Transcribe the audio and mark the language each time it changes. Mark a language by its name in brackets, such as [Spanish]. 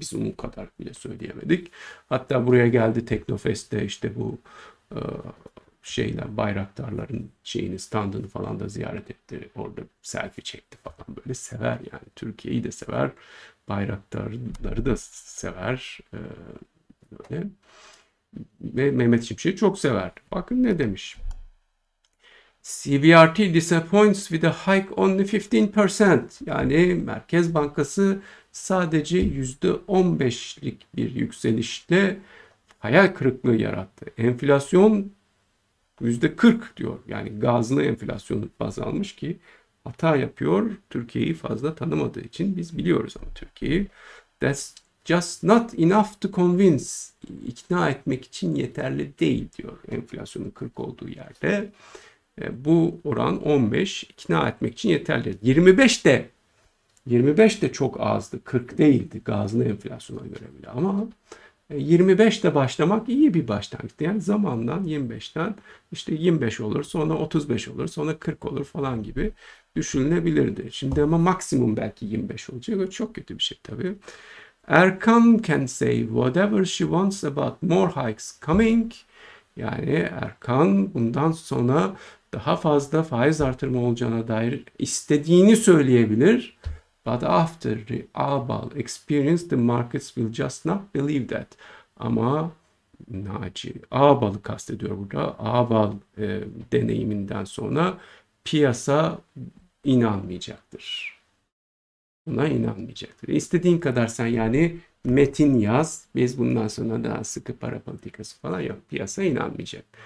[Turkish] Biz onun kadar bile söyleyemedik. Hatta buraya geldi Teknofest'te, işte bu şeyler, bayraktarların şeyini, standını falan da ziyaret etti. Orada selfie çekti falan. Böyle sever yani. Türkiye'yi de sever. Bayraktarları da sever. Böyle. Ve Mehmet Şimşek'i çok sever. Bakın ne demiş. [English] CBRT disappoints with a hike only 15%. [Turkish] Yani Merkez Bankası sadece %15'lik bir yyükselişle hayal kırıklığı yarattı. Enflasyon %40 diyor. Yani gazlı enflasyonu baz almış ki hata yapıyor. Türkiye'yi fazla tanımadığı için, biz biliyoruz ama Türkiye'yi. [English] That's just not enough to convince. [Turkish] İkna etmek için yeterli değil diyor, enflasyonun 40 olduğu yerde. Bu oran 15, ikna etmek için yeterli. 25 de çok azdı. 40 değildi gazlı enflasyona göre bile, ama 25'te başlamak iyi bir başlangıç. Yani zamandan 25'ten işte 25 olur, sonra 35 olur, sonra 40 olur falan gibi düşünülebilirdi. Şimdi ama maksimum belki 25 olacak. O çok kötü bir şey tabii. [English] Erkan can say whatever she wants about more hikes coming. [Turkish] Yani Erkan bundan sonra daha fazla faiz artırma olacağına dair istediğini söyleyebilir. [English] But after the Abal experience the markets will just not believe that. [Turkish] Ama Naci Abal'ı kastediyor burada. Abal deneyiminden sonra piyasa inanmayacaktır. Buna inanmayacaktır. İstediğin kadar sen yani metin yaz. Biz bundan sonra daha sıkı para politikası falan yok. Piyasa inanmayacak.